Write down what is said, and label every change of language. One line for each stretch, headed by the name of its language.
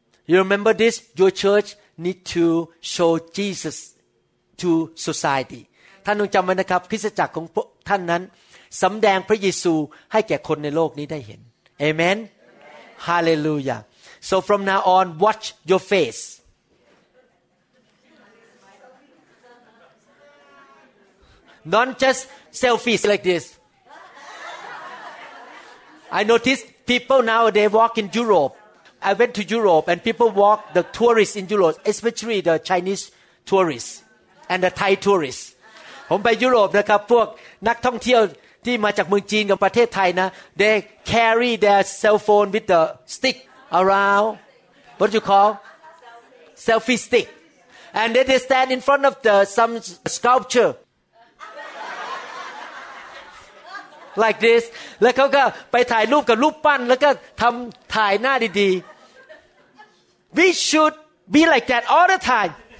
English: You remember this? Your church need to show Jesus to society.
Thai: ท่านต้องจำไว้นะครับคริสตจักรของท่านนั้นสำแดงพระเยซูให้แก่คนในโลกนี้ได้เห็นเอเมนฮาเลลูยา
English: so from now on watch your face not just selfies like this I notice people nowadays walk in Europe I went to Europe and people walk the tourists in Europe especially the Chinese tourists and the Thai tourists
Thai: ผมไปยุโรปนะครับพวกนักท่องเที่ยวที่มาจากเมืองจีนกับประเทศไทยนะ
English: they carry their cell phone with the stick around what do you call selfie stick and they stand in front of the some sculpture like this
Thai: แล้วเขาก็ไปถ่ายรูปกับรูปปั้นแล้วก็ทำถ่ายหน้าดี
English: ๆ we should be like that all the time